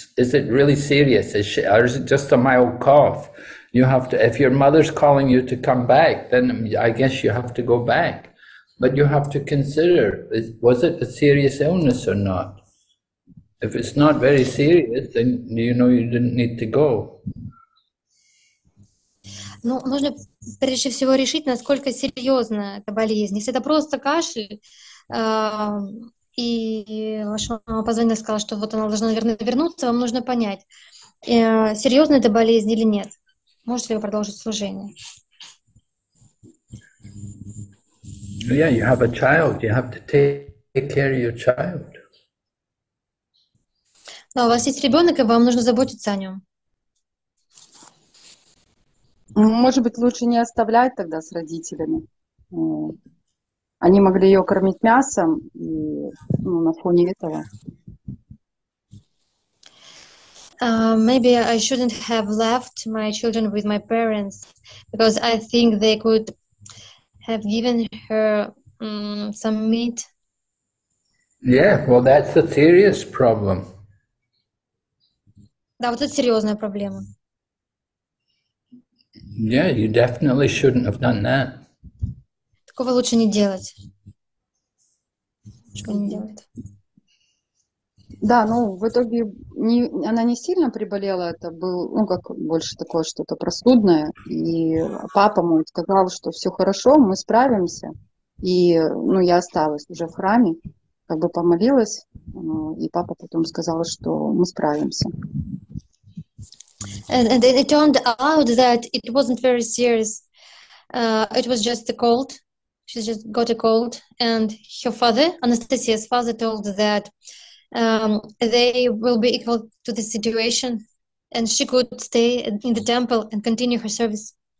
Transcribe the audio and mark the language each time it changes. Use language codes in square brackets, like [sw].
[en] Is it really serious? Is she, or is it just a mild cough? You have to, if your mother's calling you to come back, then I guess you have to go back. But you have to consider, was it a serious illness or not? If it's not very serious, then you know you didn't need to go. [ru] Ну, нужно прежде всего решить, насколько серьезна эта болезнь. Если это просто кашель, и ваша мама позвонила и сказала, что вот она должна, наверное, вернуться, вам нужно понять, серьезна эта болезнь или нет. Можете ли вы продолжить служение? [en] Yeah, you have a child. You have to take care of your child. [ru] Да, у вас есть ребенок, и вам нужно заботиться о нем. Может быть, лучше не оставлять тогда с родителями. Они могли ее кормить мясом, и, ну, на фоне этого. [en] Maybe I shouldn't have left my children with my parents, because I think they could have given her some meat. Yeah, well, that's a serious problem. [ru] Да, вот это серьезная проблема. [en] Yeah, you definitely shouldn't have done that. [ru] Такого лучше не делать. Что не делать? Да, ну, в итоге не, она не сильно приболела, это был, ну, как больше такое что-то простудное, и папа мой сказал, что все хорошо, мы справимся, и, ну, я осталась уже в храме, как бы помолилась, и папа потом сказал, что мы справимся. [en] And it turned out that it wasn't very serious. It was just a cold. She just got a cold. And her father, Anastasia's father, told that they will be equal to the situation. And she could stay in the temple and continue her service.